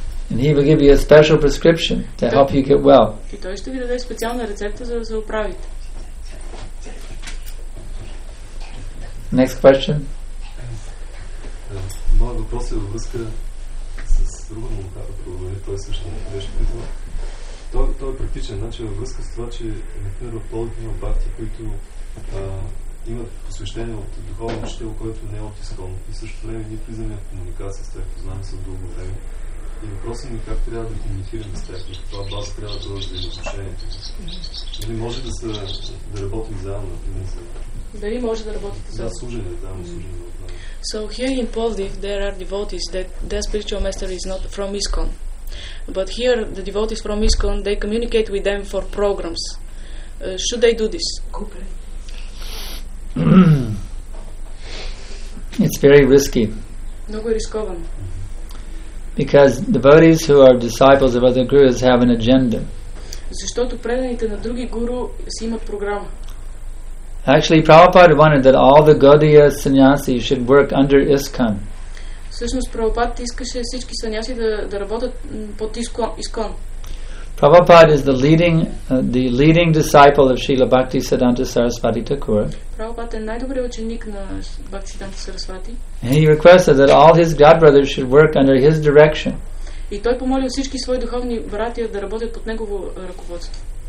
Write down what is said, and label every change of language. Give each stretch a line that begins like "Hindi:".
English: And he will give you a special prescription to help you get well.
Bulgarian: И той ще ви даде специална рецепта за да се оправите.
English: Next question.
Bulgarian: Моят въпрос е във връзка с друга мухара проблема. Той също не беше питал. Той е практичен. Значи във връзка с това, че например в Пловдив има бхакти, които имат посвещение от духовен учител, който не е от изкон. И също време ние влизаме в комуникация с тях, познаваме се от дълго време. И въпросът ми е как трябва да комуникираме с тях, каква база трябва да бъде за отношението. Дали може да работим заедно, например, за... Дали може да работите заедно? Да, служене, да, но служене от нас.
English: So here in Plovdiv, there are devotees that their spiritual master is not from ISKCON. But here, the devotees from ISKCON, they communicate with them for programs. Should they do this? It's very risky.
Bulgarian: Много е рисковано.
English: Because devotees who are disciples of other gurus have an agenda.
Bulgarian: Защото преданите на други гуру си имат програма.
English: Actually, Prabhupada wanted that all the Gaudiya sannyasi should work under ISKCON.
Bulgarian: Всъщност Прабхупада искаше всички саньяси да работят под ISKCON.
English: Prabhupada is the leading disciple of Srila Bhakti Siddhanta Sarasvati Thakur.
Bulgarian: Prabhupada е най-добрият ученик на Бхакти Сиддханта Сарасвати.
English: He requested that all his god brothers should work under his direction.
Bulgarian: И той помоли всички свои духовни братия да работят под негово ръководство.